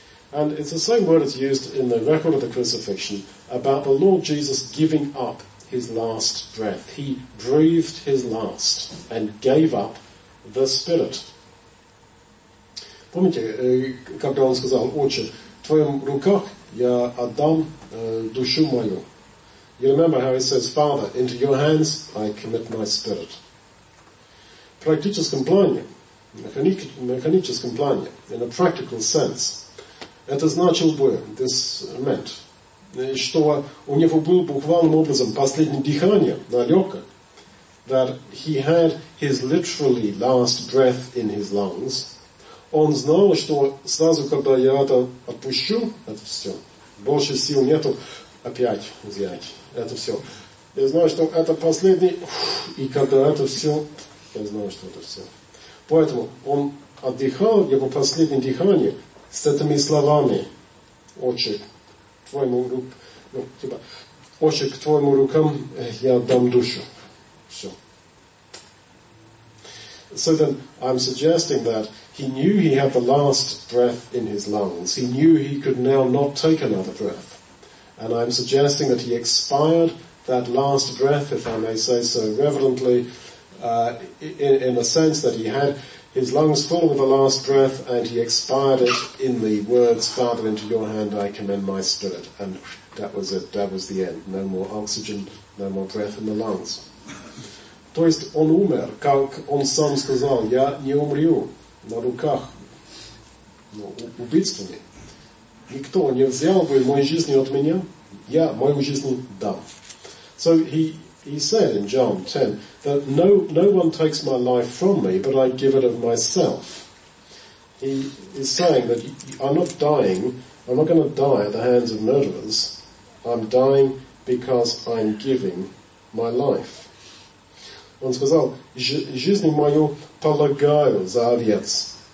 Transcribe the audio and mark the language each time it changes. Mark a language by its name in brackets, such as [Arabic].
[English] And it's the same word that's used in the record of the crucifixion about the Lord Jesus giving up his last breath. He breathed his last and gave up the Spirit. [Russian] Помните, когда он сказал, Отче, в твоих руках я отдам душу мою. [English] You remember how he says, Father, into your hands I commit my spirit. [Russian] В практическом плане, [English] in a practical sense, [Russian] это значило бы, [English] this meant, [Russian] что у него было буквальным образом последнее дыхание на легкое, [English] that he had his literally last breath in his lungs. [Russian] Он знал, что сразу, когда я это отпущу, это все, больше сил нету опять взять это все. Я знаю, что это последний, и когда это все, я знаю, что это все. Поэтому он отдыхал, его последнее дыхание, с этими словами, Отче, твоему рукам, Отче, к твоему рукам я отдам душу. Все. [English] So then, I'm suggesting that he knew he had the last breath in his lungs. He knew he could now not take another breath. And I'm suggesting that he expired that last breath, if I may say so reverently, in a sense that he had his lungs full with the last breath, and he expired it in the words, Father, into your hand I commend my spirit. And that was it, that was the end. No more oxygen, no more breath in the lungs. [Russian] То есть он умер, как он сам сказал, я не умрю на руках, но убийствами. Никто не взял бы мою жизнь от меня, я мою жизнь дам. [English] So he said in John 10, that no one takes my life from me, but I give it of myself. He is saying that I'm not going to die at the hands of murderers, I'm dying because I'm giving my life. [Russian] Он сказал, жизнь мою полагаю за овец.